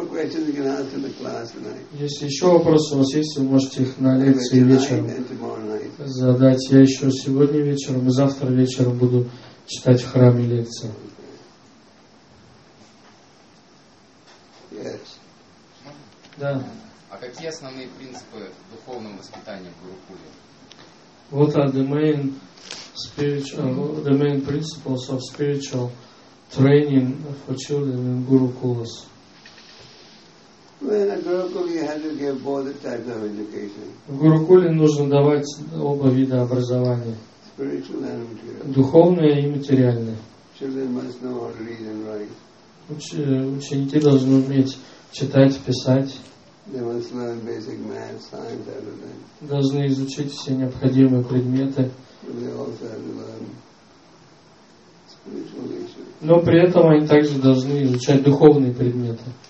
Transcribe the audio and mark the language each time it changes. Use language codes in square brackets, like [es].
[ru] Если еще вопросы у вас есть, вы можете их на лекции вечером задать. Я еще сегодня вечером и завтра вечером буду читать в храме лекции. Да. А какие основные принципы духовного воспитания в Гурукуле? [en] What are the main spiritual, the main principles of spiritual training for children in Gurukulas? Well, in Gurukula, you have to give both types of education. [ru] В Гурукуле нужно давать оба вида образования. [en] Spiritual and material. [ru] Духовное и материальное. [en] Children must know how to read and write. [ru] Ученики должны уметь читать, писать. [en] They must learn basic math, science, everything. [ru] Должны изучить все необходимые предметы. [en] They also have to learn spiritual issues. [ru] Но при этом они также должны изучать духовные предметы.